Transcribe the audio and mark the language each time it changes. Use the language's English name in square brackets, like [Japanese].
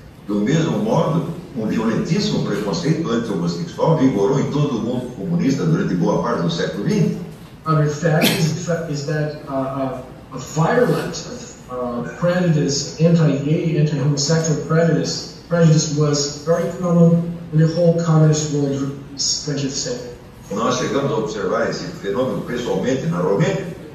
[Portuguese] Do mesmo modo, violentíssimo preconceito anti-homossexual vigorou em todo o mundo comunista durante boa parte do século XX. [English] Another fact is that a violent prejudice, anti-gay, anti-homosexual prejudice was very common in the whole communist world, as you said. [Portuguese] Nós chegamos a observar esse fenômeno pessoalmente na Romênia.